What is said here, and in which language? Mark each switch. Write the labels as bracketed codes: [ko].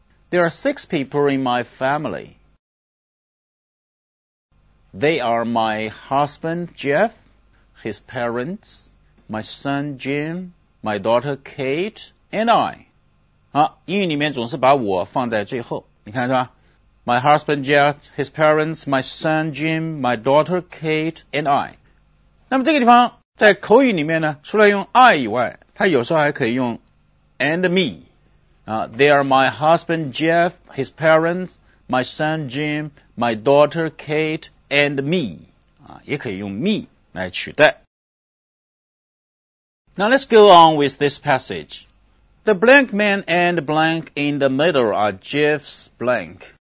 [en] There are six people in my family. They are my husband, Jeff, his parents, my son, Jim, my daughter, Kate, and I. [zh] 好，英语里面总是把我放在最后，你看是吧？ [en] My husband Jeff, his parents, my son Jim, my daughter Kate, and I. [zh] 那么这个地方在口语里面呢，除了用 I 以外，它有时候还可以用 [en] and me. They are my husband Jeff, his parents, my son Jim, my daughter Kate, and me. [zh] 也可以用 me 来取代。 [en] Now let's go on with this passage. The blank man and blank in the middle are Jeff's blank.